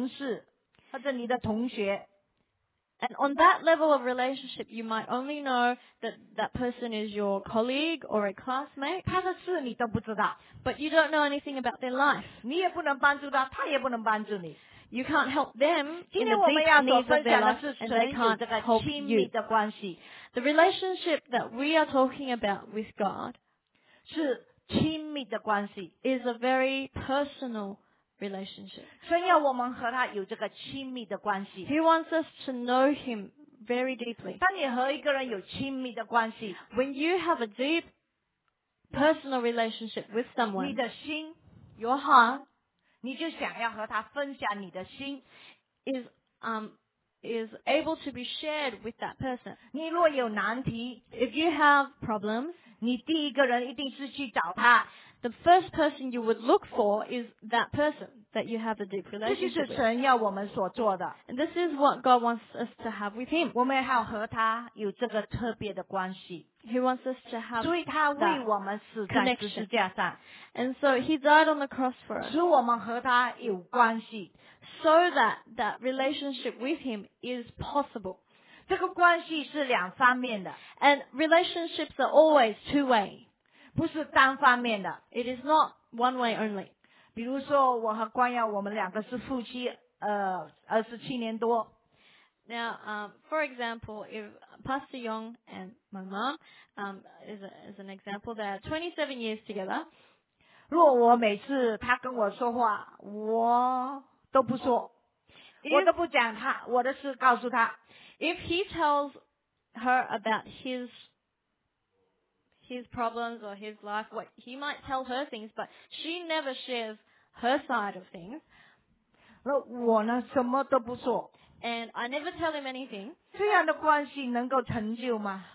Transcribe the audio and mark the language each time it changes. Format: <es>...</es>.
<zh>你只知道这个人呢是你的同事或者你的同学。</zh> <en>And on that level of relationship, you might only know that that person is your colleague or a classmate.</en> <zh>他的事你都不知道。</zh> <en>But you don't know anything about their life.</en> <zh>你也不能帮助他，他也不能帮助你。</zh> <en>You can't help them in the deep needs of their life, and they can't help you. The relationship that we are talking about with God</en> <zh>亲密的关系</zh> <en>is a very personal relationship.</en> <zh>神要我们和他有这个亲密的关系。</zh> <en>He wants us to know him very deeply.</en> <zh>当你和一个人有亲密的关系,</zh> <en>when you have a deep personal relationship with someone,</en> <zh>你的心,</zh> <en>your heart,</en> <zh>你就想要和他分享你的心,</zh> <en>is able to be shared with that person.</en> <zh>你若有难题,</zh> <en>if you have problems,</en> <zh>你第一个人一定是去找他。</zh> <en>The first person you would look for is that person that you have a deep relationship with.</en> <zh>这就是神要我们所做的。</zh> <en>And this is what God wants us to have with him.</en> <zh>我们要和他有这个特别的关系。</zh> <en>He wants us to have</en> <zh>所以他为我们死在十字架上。</zh> <en>And so he died on the cross for us.</en> <zh>使我们和他有关系。</zh> <en>So that relationship with him is possible.</en> <zh>这个关系是两方面的。</zh> <en>And relationships are always two-way.</en> <zh>不是单方面的。</zh> <en>It is not one-way only.</en> <zh>比如说我和光耀我们两个是夫妻27年多。</zh> <en>Now, for example, if Pastor Yong and my mom, is an example, they're 27 years together.</en> <zh>如果我每次他跟我说话，我都不说，</zh> <en>if,</en> <zh>我都不讲他，我的事告诉他。</zh> <en>If he tells her about his problems or his life, what he might tell her things, but she never shares her side of things.</en> <zh>那我呢，什么都不说。</zh> <en>And I never tell him anything.</en> <zh>这样的关系能够成就吗？</zh>